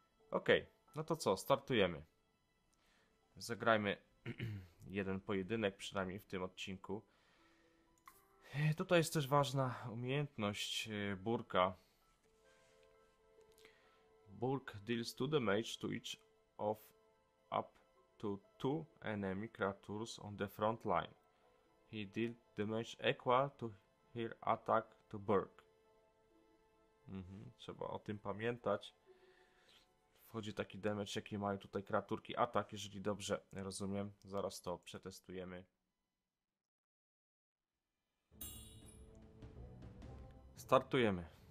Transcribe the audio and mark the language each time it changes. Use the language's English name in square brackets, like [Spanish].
[Polish] Ok, no to co, startujemy. Zagrajmy jeden pojedynek, przynajmniej w tym odcinku. Tutaj jest też ważna umiejętność Burkha. [English] Burkh deals 2 damage to each of up to 2 enemy creatures on the front line. He deals damage equal to his attack to Burkh. [Polish] Trzeba o tym pamiętać. W wchodzi taki damage, jaki mają tutaj kreaturki. Atak, jeżeli dobrze rozumiem. Zaraz to przetestujemy. Startujemy.